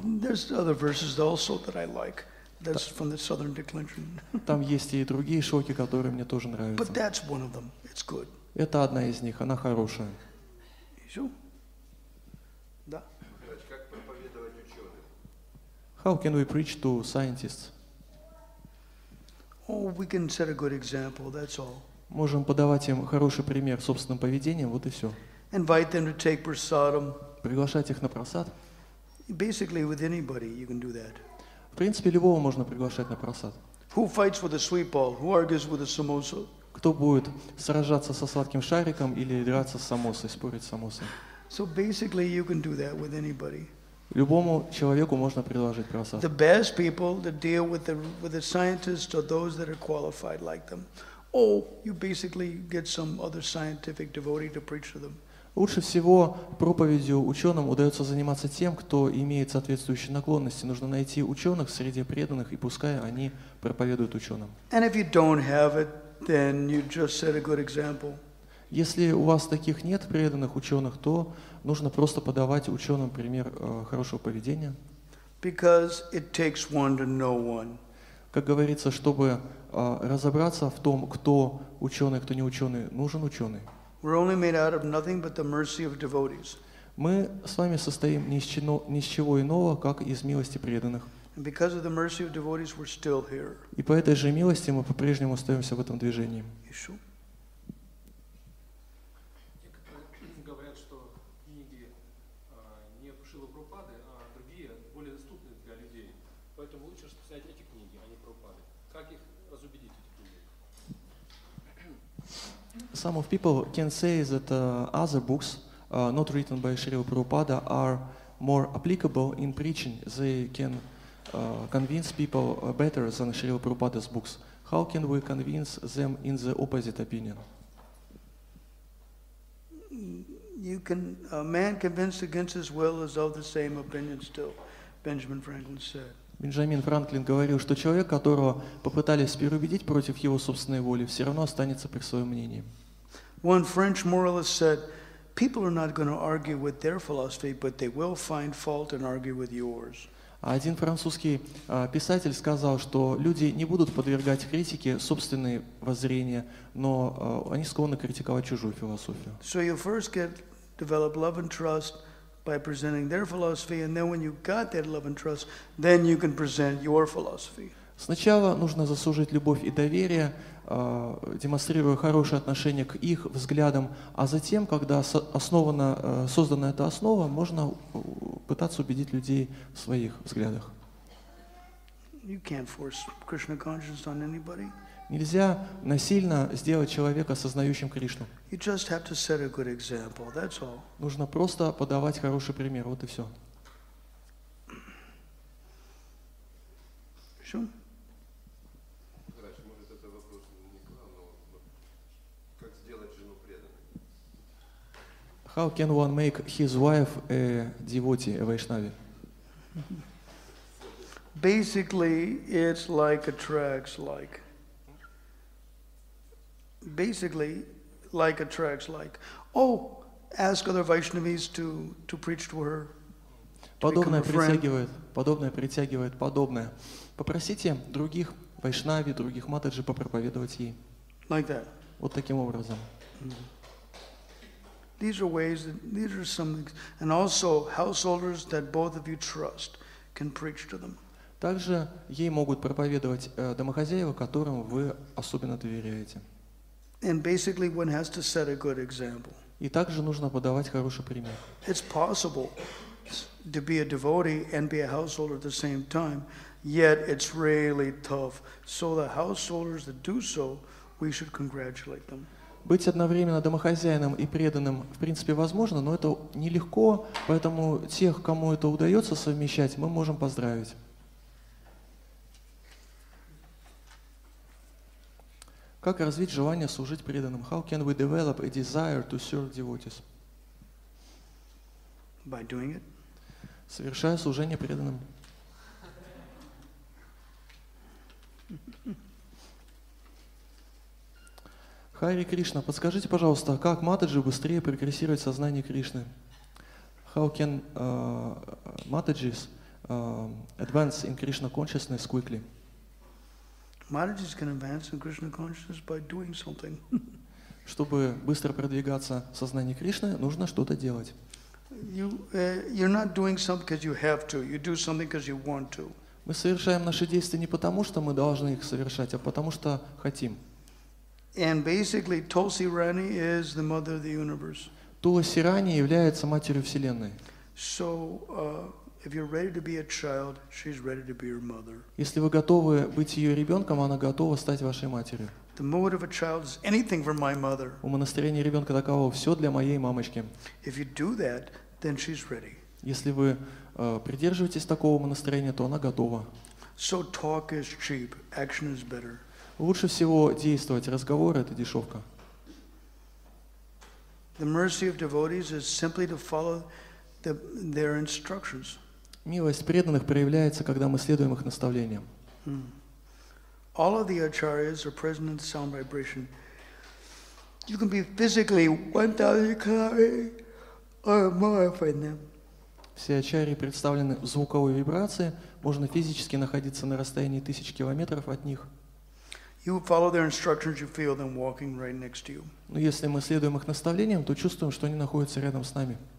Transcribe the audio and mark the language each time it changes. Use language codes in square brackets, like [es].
[en] There's other verses also that I like. That's from the Southern Declension. [ru] Там есть и другие шлоки, которые мне тоже нравятся. [en] But that's one of them. It's good. [ru] Это одна из них, она хорошая. Все? Да. Как проповедовать ученых? [en] How can we preach to scientists? Oh, we can set a good example, that's all. [ru] Можем подавать им хороший пример собственным поведением, вот и все. [en] Invite them to take prasadam. [ru] Приглашать их на просад. [en] Basically, with anybody, you can do that. [ru] В принципе, любого можно приглашать на просад. [en] Who fights with a sweet ball? Who argues with a samosa? [ru] Кто будет сражаться со сладким шариком или драться с самосой, спорить с самосой? [en] So basically, you can do that with anybody. [ru] Любому человеку можно предложить просад. [en] The best people that deal with the scientists are those that are qualified like them. Oh, you basically get some other scientific devotee to preach to them. [ru] Лучше всего проповедью ученым удается заниматься тем, кто имеет соответствующие наклонности. Нужно найти ученых среди преданных, и пускай они проповедуют ученым. [en] And if you don't have it, then you just set a good example. [ru] Если у вас таких нет преданных ученых, то нужно просто подавать ученым пример хорошего поведения. [en] Because it takes one to know one. [ru] Как говорится, чтобы разобраться в том, кто ученый, кто не ученый, нужен ученый. [en] We're only made out of nothing but the mercy of devotees. [ru] Мы с вами состоим ни с чего иного, как из милости преданных. [en] And because of the mercy of devotees, we're still here. [ru] И по этой же милости мы по-прежнему остаемся в этом движении. Еще. Говорят, что книги не Шрилы Прабхупады, а другие более доступны для людей. Поэтому лучше писать эти книги, а не Прабхупады. Как их разубедить, эти книги? [en] Some of people can say that other books not written by Srila Prabhupada are more applicable in preaching. They can convince people better than Srila Prabhupada's books. How can we convince them in the opposite opinion? You can, a man convinced against his will is of the same opinion still, Benjamin Franklin said. [ru] Бенджамин Франклин говорил, что человек, которого попытались переубедить против его собственной воли, все равно останется при своем мнении. [en] One French moralist said, people are not going to argue with their philosophy, but they will find fault and argue with yours. [ru] Один французский писатель сказал, что люди не будут подвергать критике собственные воззрения, но они склонны критиковать чужую философию. [en] So you first get develop love and trust by presenting their philosophy, and then when you got that love and trust, then you can present your philosophy. [ru] Сначала нужно заслужить любовь и доверие, демонстрируя хорошее отношение к их взглядам, а затем, когда создана эта основа, можно пытаться убедить людей в своих взглядах. [en] You can't force Krishna consciousness on anybody. [ru] Нельзя насильно сделать человека осознающим Кришну. [en] You just have to set a good example, that's all. [ru] Нужно просто подавать хороший пример, вот и все. Все? [en] How can one make his wife a devotee, a Vaishnavi? Basically, it's like attracts like. Basically, like attracts like. Oh, ask other Vaishnavis to preach to her. [ru] Подобное притягивает подобное. Попросите других Вайшнави, других Матаджи попроповедовать ей. [en] Like that. [ru] Вот таким образом. [en] These are ways that these are some things, and also householders that both of you trust can preach to them. [ru] Также ей могут проповедовать домохозяева, которым вы особенно доверяете. [en] And basically, one has to set a good example. [ru] И также нужно подавать хороший пример. [en] It's possible to be a devotee and be a householder at the same time, yet it's really tough. So the householders that do so, we should congratulate them. [ru] Быть одновременно домохозяином и преданным, в принципе, возможно, но это нелегко, поэтому тех, кому это удается совмещать, мы можем поздравить. Как развить желание служить преданным? [en] How can we develop a desire to serve devotees? By doing it. [ru] Совершая служение преданным. Хари Кришна, подскажите, пожалуйста, как Матаджи быстрее прогрессировать сознание Кришны? [en] How can Matajis advance in Krishna consciousness quickly? Matajis can advance in Krishna consciousness by doing something. [ru] чтобы быстро продвигаться в сознании Кришны, нужно что-то делать. [en] You're not doing something because you have to. You do something because you want to. [ru] Мы совершаем наши действия не потому, что мы должны их совершать, а потому что хотим. [en] And basically, Tulsi Rani is the mother of the universe. [ru] Туласи Рани является матерью вселенной. [en] So, if you're ready to be a child, she's ready to be your mother. [ru] Если вы готовы быть ее ребенком, она готова стать вашей матерью. [en] The mood of a child is anything for my mother. [ru] У настроения ребенка таково: все для моей мамочки. [en] If you do that, then she's ready. [ru] Если вы придерживаетесь такого настроения, то она готова. [en] So talk is cheap, action is better. [ru] Лучше всего действовать. Разговор — это дешевка. [en] The mercy of devotees is simply to follow their instructions. [ru] Милость преданных проявляется, когда мы следуем их наставлениям. [en] All of the acharyas are present in sound vibration. You can be physically 1,000 kilometers or more from them. [ru] Все ачарьи представлены в звуковой вибрации. Можно физически находиться на расстоянии [en] 1,000 kilometers [ru] от них. [en] You follow their instructions, you feel them walking right next to you. [ru] Но если мы следуем их наставлениям, то чувствуем, что они находятся рядом с нами.